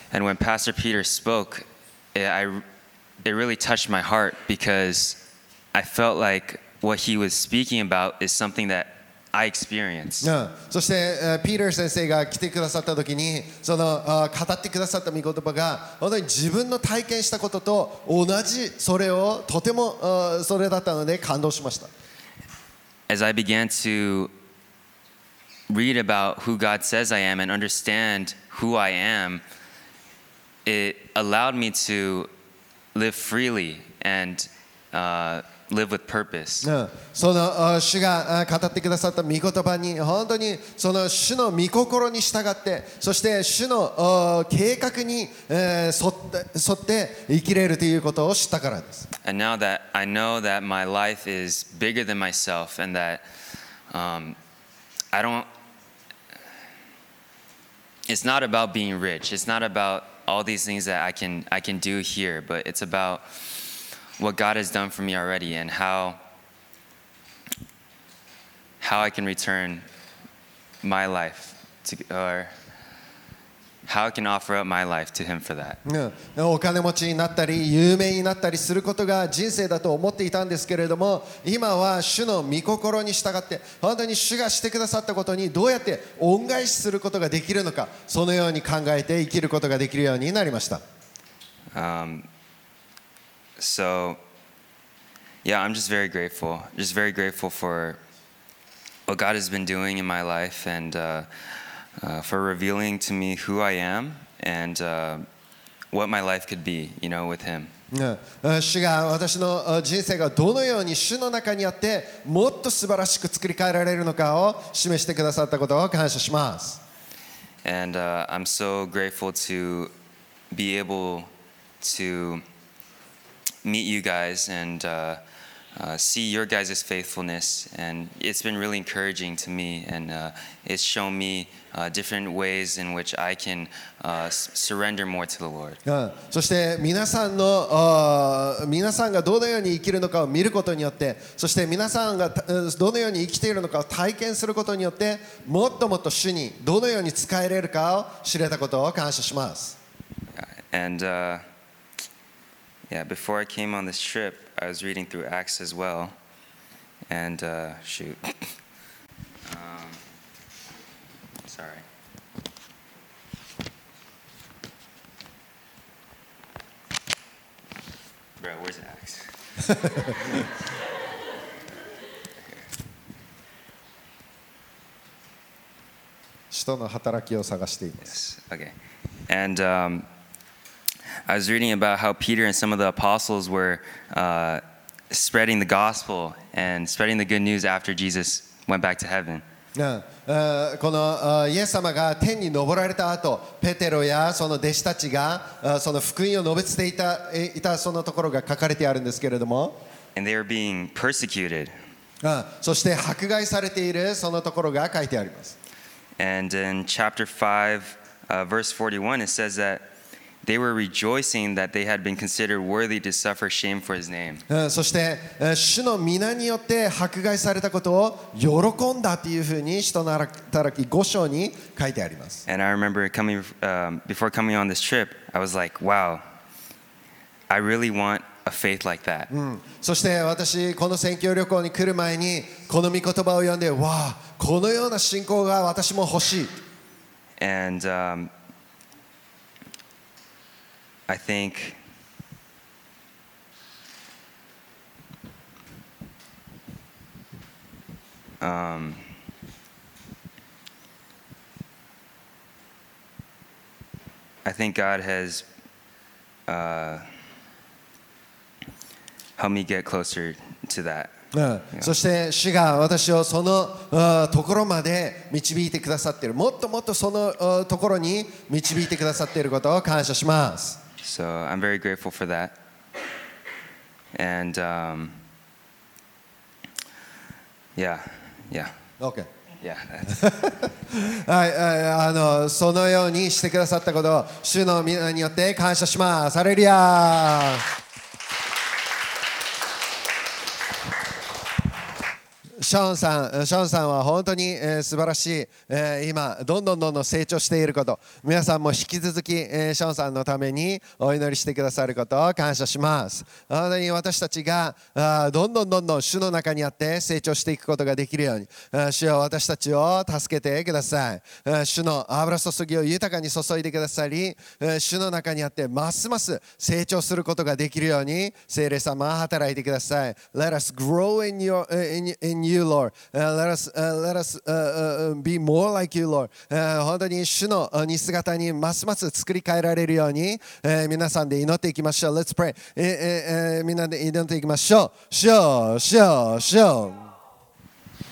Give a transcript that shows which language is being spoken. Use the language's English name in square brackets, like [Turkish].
[English] And when Pastor Peter spoke, it really touched my heart because I felt like what he was speaking about is something that I experienced. [Japanese] そして、ピーター先生が来てくださった時に、その、語ってくださった御言葉が、本当に自分の体験したことと同じそれをとても、それだったので感動しました。 [English] As I began to read about who God says I am and understand who I am, it allowed me to live freely and, live with purpose. [Japanese] その主が語ってくださった御言葉に本当にその主の御心に従ってそして主の計画に沿って生きれるということを知ったからです。 [English] And now that I know that my life is bigger than myself and that it's not about being rich, it's not about all these things that I can do here, but it's aboutWhat God has done for me already, and how I can return my life to, or how I can offer up my life to Him for that. [Japanese] お金持ちになったり有名になったりすることが人生だと思っていたんですけれども、今は主の御心に従って本当に主がしてくださったことにどうやって恩返しすることができるのか、そのように考えて生きることができるようになりました。 [English] So, yeah, I'm just very grateful. Just very grateful for what God has been doing in my life and for revealing to me who I am and what my life could be, you know, with Him. [Japanese] 主が私の人生がどのように主の中にあってもっと素晴らしく作り変えられるのかを示してくださったことを感謝します。 [English] And I'm so grateful to be able to... meet you guys and see your guys' faithfulness and it's been really encouraging to me and it's shown me different ways in which I can surrender more to the Lord. [Japanese] そして皆さんがどのように生きるのかを見ることによって、そして皆さんがどのように生きているのかを体験することによって、もっともっと主にどのように仕えれるかを知れたことを感謝します。 [English] And, Yeah, before I came on this trip, I was reading through Acts as well. And, shoot. Sorry. Bro, where's Acts? Yes, okay. And, I was reading about how Peter and some of the apostles were spreading the gospel and spreading the good news after Jesus went back to heaven. [Japanese] このイエス様が天に昇られた後、ペテロやその弟子たちがその福音を述べていた、そのところが書かれてあるんですけれども。 [English] And they were being persecuted. [Japanese] そして迫害されているそのところが書いてあります。 [English] And in chapter 5, verse 41, it says that They were rejoicing that they had been considered worthy to suffer shame for his name. [Japanese] そして主の御名によって迫害されたことを喜んだというふうに使徒の働き5章に書いてあります。 [English] And I remember coming, before coming on this trip, I was like, wow, I really want a faith like that. [Japanese] そして私この宣教旅行に来る前にこの御言葉を読んで、わあ、このような信仰が私も欲しい。 [English] And, I think I think God has helped me get closer to that. [Japanese] そして主が私をそのところまで導いてくださっている。もっともっとそのところに導いてくださっていることを感謝します。 [English] So I'm very grateful for that. And Okay. Yeah. [Japanese] はい、そのようにしてくださったことを主の御名によって感謝します。ハレルヤ。ショーンさんは本当に、素晴らしい、今どんどん成長していること、皆さんも引き続き、ショーンさんのためにお祈りしてくださることを感謝します。本当に私たちがどんどん主の中にあって成長していくことができるように、主は私たちを助けてください。主の油注ぎを豊かに注いでくださり、主の中にあってますます成長することができるように聖霊様は働いてください。 [English] Let us grow in your in you, Lord. Let us be more like you, Lord. [Japanese] 本当に主の似姿にますます作り変えられるように、皆さんで祈っていきましょう。 [English] Let's pray. [Japanese] みんなで祈っていきましょう。しょう。